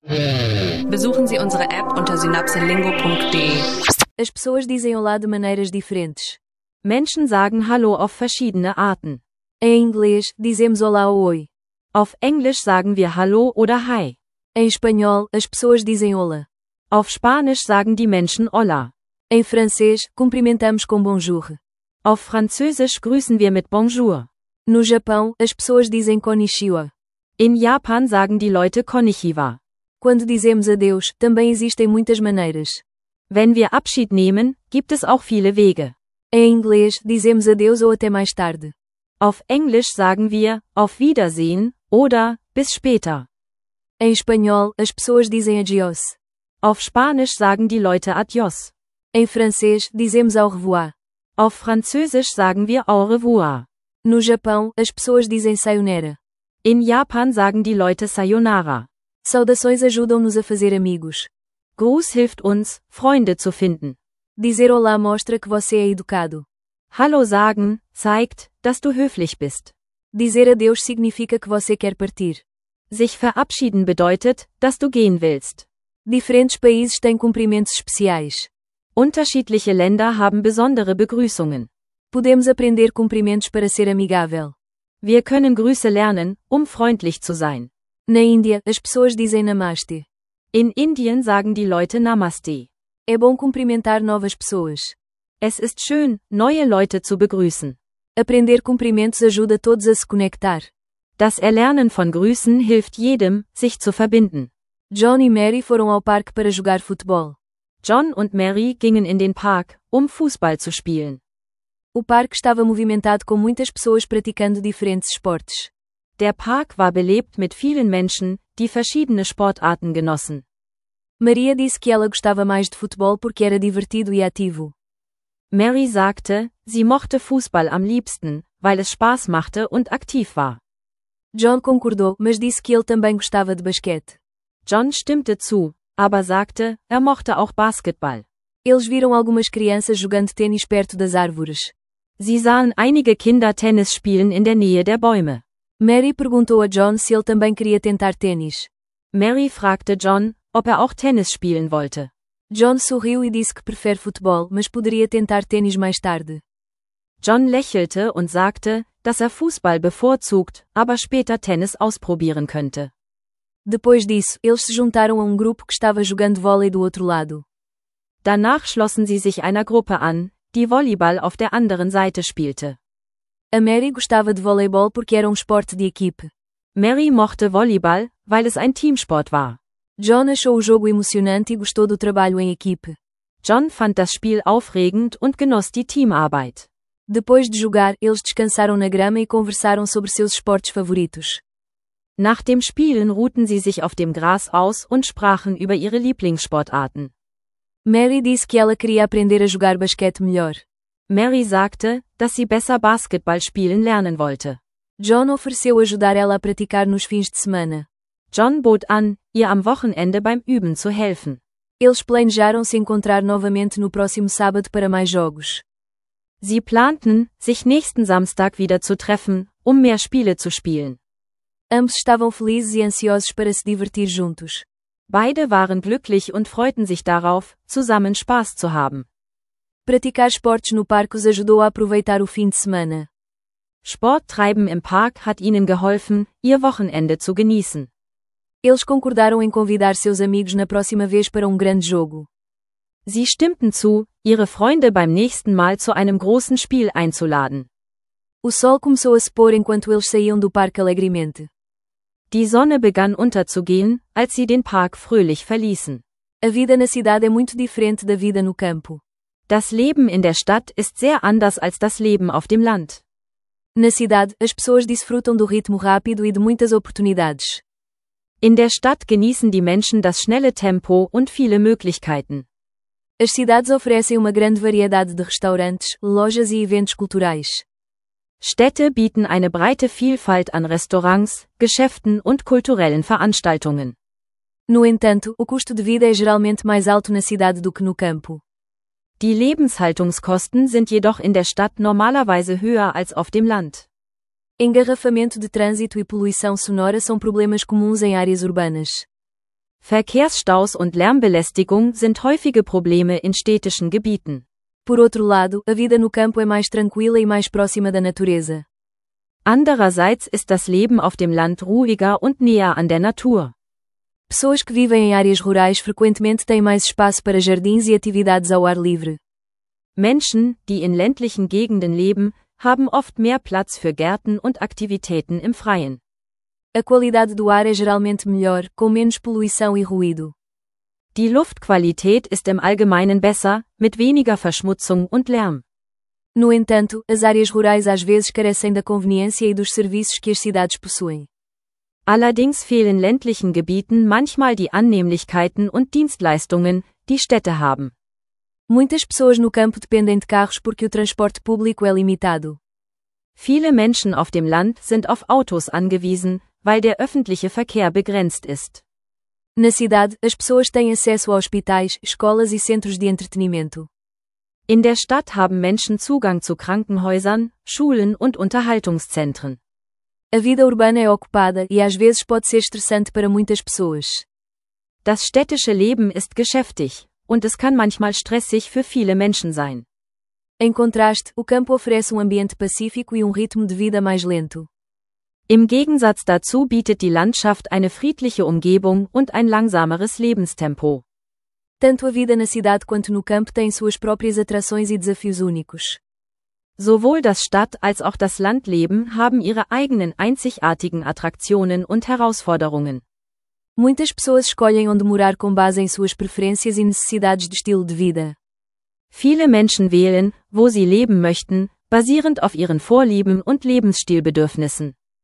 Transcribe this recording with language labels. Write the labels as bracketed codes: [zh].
[de] Besuchen Sie unsere App unter synapselingo.de. [pt] As pessoas dizem olá de maneiras diferentes. [de] Menschen sagen hallo auf verschiedene Arten. [pt] Em inglês, dizemos olá ou oi. [de] Auf Englisch sagen wir hallo oder hi. [pt] Em espanhol, as pessoas dizem hola. [de] Auf Spanisch sagen die Menschen hola. [pt] Em francês, cumprimentamos com bonjour. [de] Auf Französisch grüßen wir mit bonjour. [pt] No Japão, as pessoas dizem konnichiwa. [de] In Japan sagen die Leute konnichiwa. [pt] Quando dizemos adeus, também existem muitas maneiras. [de] Wenn wir Abschied nehmen, gibt es auch viele Wege. [pt] Em inglês, dizemos adeus ou até mais tarde. [de] Auf Englisch sagen wir auf Wiedersehen oder bis später. [pt] Em espanhol, as pessoas dizem adiós. [de] Auf Spanisch sagen die Leute adiós. [pt] Em francês, dizemos au revoir. [de] Auf Französisch sagen wir au revoir. [pt] No Japão, as pessoas dizem sayonara. [de] In Japan sagen die Leute sayonara. [pt] Saudações ajudam-nos a fazer amigos. [de] Gruß hilft uns, Freunde zu finden. [pt] Dizer olá mostra que você é educado. [de] Hallo sagen zeigt, dass du höflich bist. [pt] Dizer adeus significa que você quer partir. [de] Sich verabschieden bedeutet, dass du gehen willst. [pt] Diferentes países têm cumprimentos especiais. [de] Unterschiedliche Länder haben besondere Begrüßungen. [pt] Podemos aprender cumprimentos para ser amigável. [de] Wir können Grüße lernen, freundlich zu sein. [pt] Na Índia, as pessoas dizem Namaste. [de] In Indien sagen die Leute Namaste. [pt] É bom cumprimentar novas pessoas. [de] Es ist schön, neue Leute zu begrüßen. [pt] Aprender cumprimentos ajuda todos a se conectar. [de] Das Erlernen von Grüßen hilft jedem, sich zu verbinden. [pt] John e Mary foram ao parque para jogar futebol. [de] John und Mary gingen in den Park, Fußball zu spielen. [pt] O parque estava movimentado com muitas pessoas praticando diferentes esportes. [de] Der Park war belebt mit vielen Menschen, die verschiedene Sportarten genossen. [pt] Maria disse que ela gostava mais de futebol porque era divertido e ativo. [de] Mary sagte, sie mochte Fußball am liebsten, weil es Spaß machte und aktiv war. [pt] John concordou, mas disse que ele também gostava de basquete. [de] John stimmte zu, aber sagte, mochte auch Basketball. [pt] Eles viram algumas crianças jogando tênis perto das árvores. [de] Sie sahen einige Kinder Tennis spielen in der Nähe der Bäume. [pt] Mary perguntou a John se ele também queria tentar tênis. [de] Mary fragte John, ob auch Tennis spielen wollte. [pt] John sorriu e disse que prefere futebol, mas poderia tentar tênis mais tarde. [de] John lächelte und sagte, dass Fußball bevorzugt, aber später Tennis ausprobieren könnte. [pt] Depois disso, eles se juntaram a grupo que estava jogando vôlei do outro lado. [de] Danach schlossen sie sich einer Gruppe an, die Volleyball auf der anderen Seite spielte. [pt] A Mary gostava de voleibol porque era esporte de equipe. [de] Mary mochte Volleyball, weil es ein Teamsport war. [pt] John achou o jogo emocionante e gostou do trabalho em equipe. [de] John fand das Spiel aufregend und genoss die Teamarbeit. [pt] Depois de jogar, eles descansaram na grama e conversaram sobre seus esportes favoritos. [de] Nach dem Spielen ruhten sie sich auf dem Gras aus und sprachen über ihre Lieblingssportarten. [pt] Mary disse que ela queria aprender a jogar basquete melhor. [de] Mary sagte, dass sie besser Basketball spielen lernen wollte. [pt] John ofereceu ajudar ela a praticar nos fins de semana. [de] John bot an, ihr am Wochenende beim Üben zu helfen. [pt] Eles planejaram se encontrar novamente no próximo sábado para mais jogos. [de] Sie planten, sich nächsten Samstag wieder zu treffen, mehr Spiele zu spielen. [pt] Ambos estavam felizes e ansiosos para se divertir juntos. [de] Beide waren glücklich und freuten sich darauf, zusammen Spaß zu haben. [pt] Praticar esportes no parque os ajudou a aproveitar o fim de semana. [de] Sport treiben im Park hat ihnen geholfen, ihr Wochenende zu genießen. [pt] Eles concordaram em convidar seus amigos na próxima vez para grande jogo. [de] Sie stimmten zu, ihre Freunde beim nächsten Mal zu einem großen Spiel einzuladen. [pt] O sol começou a se pôr enquanto eles saíam do parque alegremente. [de] Die Sonne begann unterzugehen, als sie den Park fröhlich verließen. [pt] A vida na cidade é muito diferente da vida no campo. [de] Das Leben in der Stadt ist sehr anders als das Leben auf dem Land. [pt] Na cidade, as pessoas desfrutam do ritmo rápido e de muitas oportunidades. [de] In der Stadt genießen die Menschen das schnelle Tempo und viele Möglichkeiten. [pt] As cidades oferecem grande variedade de restaurantes, lojas e eventos culturais. [de] Städte bieten eine breite Vielfalt an Restaurants, Geschäften und kulturellen Veranstaltungen. [pt] No entanto, o custo de vida é geralmente mais alto na cidade do que no campo. [de] Die Lebenshaltungskosten sind jedoch in der Stadt normalerweise höher als auf dem Land. [pt] Engarrafamento de trânsito e poluição sonora são problemas comuns em áreas urbanas. [de] Verkehrsstaus und Lärmbelästigung sind häufige Probleme in städtischen Gebieten. [pt] Por outro lado, a vida no campo é mais tranquila e mais próxima da natureza. [de] Andererseits ist das Leben auf dem Land ruhiger und näher an der Natur. [pt] Pessoas que vivem em áreas rurais frequentemente têm mais espaço para jardins e atividades ao ar livre. [de] Menschen, die in ländlichen Gegenden leben, haben oft mehr Platz für Gärten und Aktivitäten im Freien. [pt] A qualidade do ar é geralmente melhor, com menos poluição e ruído. [de] Die Luftqualität ist im Allgemeinen besser, mit weniger Verschmutzung und Lärm. [pt] No entanto, as áreas rurais às vezes carecem da conveniência e dos serviços que as cidades possuem. [de] Allerdings fehlen ländlichen Gebieten manchmal die Annehmlichkeiten und Dienstleistungen, die Städte haben. [pt] Muitas pessoas no campo dependem de carros porque o transporte público é limitado. [de] Viele Menschen auf dem Land sind auf Autos angewiesen, weil der öffentliche Verkehr begrenzt ist. [pt] Na cidade, as pessoas têm acesso a hospitais, escolas e centros de entretenimento. [de] In der Stadt haben Menschen Zugang zu Krankenhäusern, Schulen und Unterhaltungszentren. [pt] A vida urbana é ocupada e às vezes pode ser estressante para muitas pessoas. [de] Das städtische Leben ist geschäftig und es kann manchmal stressig für viele Menschen sein. [pt] Em contraste, o campo oferece ambiente pacífico e ritmo de vida mais lento. [de] Im Gegensatz dazu bietet die Landschaft eine friedliche Umgebung und ein langsameres Lebenstempo. [pt] Tanto a vida na cidade quanto no campo têm suas próprias atrações e desafios únicos. [de] Sowohl das Stadt- als auch das Landleben haben ihre eigenen einzigartigen Attraktionen und Herausforderungen. [pt] Muitas pessoas escolhem onde morar com base em suas preferências e necessidades de estilo de vida. [de] Viele Menschen wählen, wo sie leben möchten, basierend auf ihren Vorlieben und Lebensstilbedürfnissen.